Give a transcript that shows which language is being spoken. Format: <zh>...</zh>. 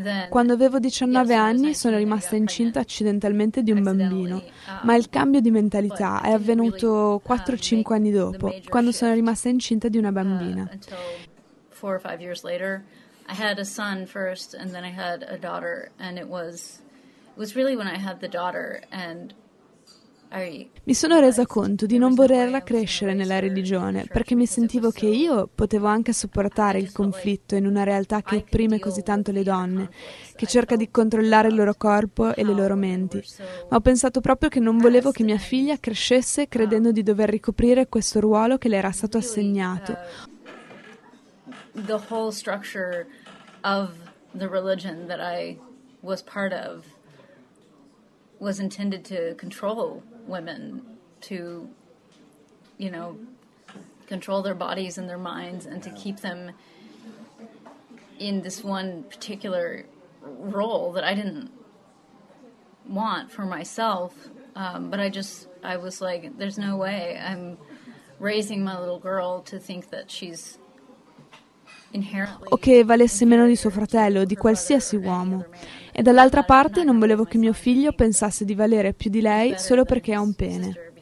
<it>Quando avevo 19 anni sono rimasta incinta accidentalmente di un bambino, ma il cambio di mentalità è avvenuto 4-5 anni dopo, quando sono rimasta incinta di una bambina.</it> <en>Four or five years later, I had a son first, and then I had a daughter, and it was really when I had the daughter and I.</en> <it>Mi sono resa conto di non volerla crescere nella religione, perché mi sentivo che io potevo anche sopportare il conflitto in una realtà che opprime così tanto le donne, che cerca di controllare il loro corpo e le loro menti. Ma ho pensato proprio che non volevo che mia figlia crescesse credendo di dover ricoprire questo ruolo che le era stato assegnato.</it> <en>The whole structure of the religion that I was part of was intended to control women, to, you know, control their bodies and their minds and to keep them in this one particular role that I didn't want for myself. But I was like, there's no way I'm raising my little girl to think that she's</en> <it>o che valesse meno di suo fratello o di qualsiasi uomo. E dall'altra parte non volevo che mio figlio pensasse di valere più di lei solo perché ha un pene.</it>